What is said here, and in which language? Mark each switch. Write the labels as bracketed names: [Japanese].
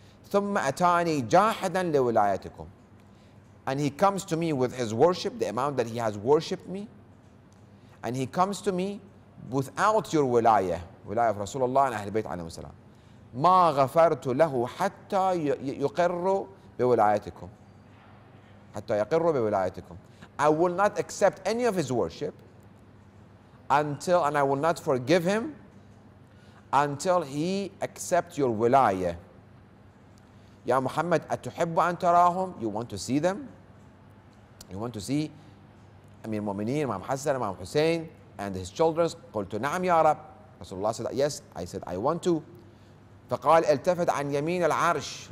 [Arabic] ثم أتاني جاحدا لولايتكم. [English] And he comes to me with his worship, the amount that he has worshipped me. And he comes to me without your wilayah, wilayah of Rasulullah and Ahlul Bayt alayhi wasalam. [Arabic] ما غفرت له حتى يقر بولايتكم. حتى يقر بولايتكم. [English] I will not accept any of his worship until, and I will not forgive him until he accepts your wilayah. [Arabic] Ya Muhammad, أتحب أن تراهم? [English] You want to see them? You want to see Amir al-Mu'mineen, Imam Hassan, Imam Hussein, and his children? [Arabic] قلت نعم يا رب. [English] Rasulullah said, yes, I said, I want to. [Arabic] فقال التفت عن يمين العرش.